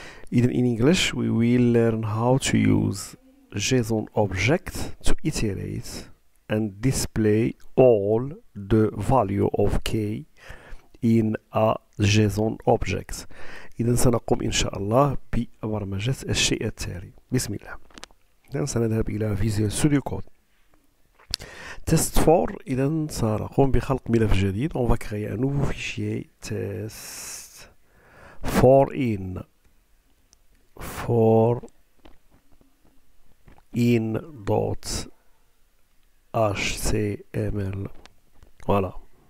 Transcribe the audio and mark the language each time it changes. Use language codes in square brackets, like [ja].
[en] In English, we will learn how to use JSON object to iterate and display all the value of k in a JSON object. [ar] إذن سنقوم إن شاء الله ببرمجة الشيء التالي. بسم الله. إذن سنذهب إلى Visual Studio Code. Test 4, إذن سنقوم بخلق ملف جديد. [fr] On va créer un nouveau fichier test 4in. [en] For in dot html. Voilà.